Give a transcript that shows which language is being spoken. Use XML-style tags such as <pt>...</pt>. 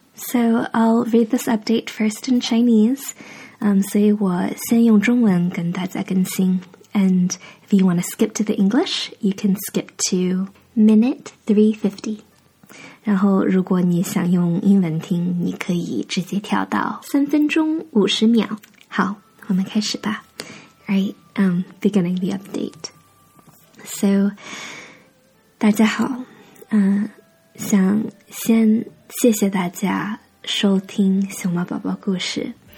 <en>So I'll read this update first in Chinese.</en> <zh>所以我先用中文跟大家更新。</zh> <en>And if you want to skip to the English, you can skip to minute 350.</en> <zh>然后如果你想用英文听你可以直接跳到三分钟五十秒。好我们开始吧。</zh> <en>Right, beginning the update.</en> <zh>So, 大家好想先谢谢大家收听熊猫宝宝故事。</zh>